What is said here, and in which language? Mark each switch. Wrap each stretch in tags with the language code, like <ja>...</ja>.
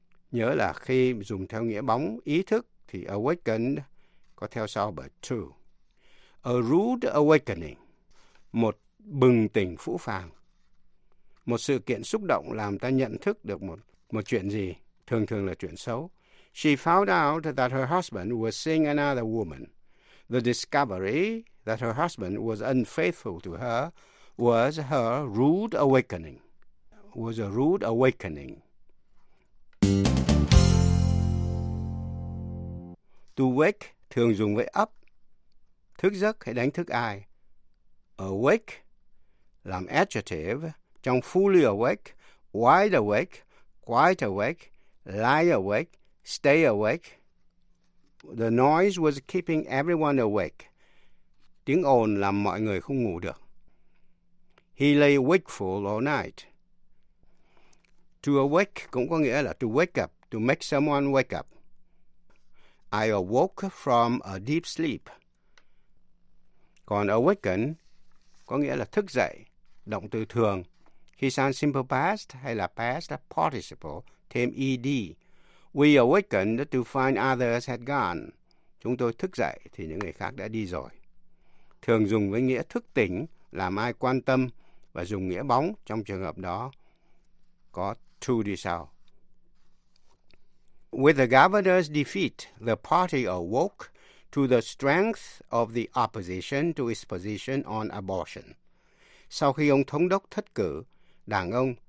<vi>Nhớ là khi dùng theo nghĩa bóng, ý thức, thì awakened có theo sau bởi to.</vi> <en>A rude awakening.</en> <vi>Một bừng tỉnh phũ phàng. Một sự kiện xúc động làm ta nhận thức được một chuyện gì, thường thường là chuyện xấu.</vi> <en>She found out that her husband was seeing another woman. The discovery that her husband was unfaithful to her was her rude awakening. Was a rude awakening.</en> <vi>To wake thường dùng với up, thức giấc hay đánh thức ai. Awake làm adjective trong fully awake, wide awake, quite awake, lie awake, stay awake.</vi> <en>The noise was keeping everyone awake.</en> <vi>Tiếng ồn làm mọi người không ngủ được.</vi> <en>He lay wakeful all night. To awake</en> <vi>cũng có nghĩa là</vi> <en>to wake up, to make someone wake up. I awoke from a deep sleep.</en> <vi>Còn awaken có nghĩa là thức dậy, động từ thường. Khi sang simple past hay là past participle, thêm ed.</vi> <en>We awakened to find others had gone.</en> <vi>Chúng tôi thức dậy thì những người khác đã đi rồi. Thường dùng với nghĩa thức tỉnh, làm ai quan tâm và dùng nghĩa bóng trong trường hợp đó có to đi sau.</vi> <en>With the governor's defeat, the party awoke to the strength of the opposition to its position on abortion.</en> <vi>Sau khi ông thống đốc thất cử, đảng ông</vi>